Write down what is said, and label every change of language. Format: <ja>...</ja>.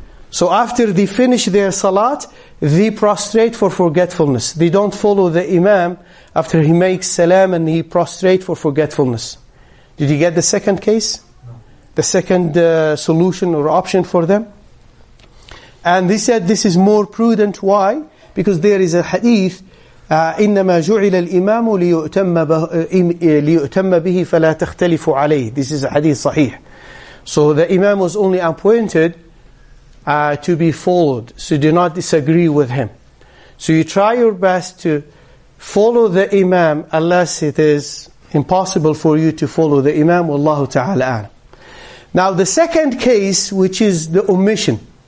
<en>So after they finish their salat, they prostrate for forgetfulness. They don't follow the imam after he makes salam and he prostrate for forgetfulness. Did you get the second case? No. The second solution or option for them? And they said this is more prudent. Why? Because there is a hadith,</en> <ar>إِنَّمَا جُعِلَ الْإِمَامُ لِيُؤْتَمَّ بِهِ فَلَا تَخْتَلِفُ عَلَيْهِ.</ar> <en>This is a hadith sahih. So the imam was only appointed to be followed. So do not disagree with him. So you try your best to follow the imam, unless it is impossible for you to follow the imam. Wallahu ta'ala a'lam. Now the second case, which is the omission.</en>